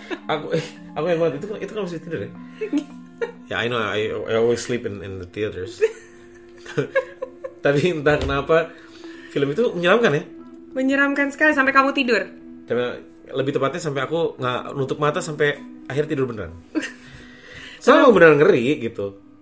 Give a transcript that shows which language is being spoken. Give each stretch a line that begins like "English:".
Indonesian: Aku inget banget, itu kan masih tidur ya?
English: Ya, yeah, I know, I always sleep in the theaters.
Indonesian: Tapi entah kenapa film itu menyeramkan ya? Menyeramkan sekali sampai kamu tidur. Tapi lebih tepatnya sampai aku nggak nutup mata sampai akhir tidur beneran. Soalnya aku beneran ngeri gitu.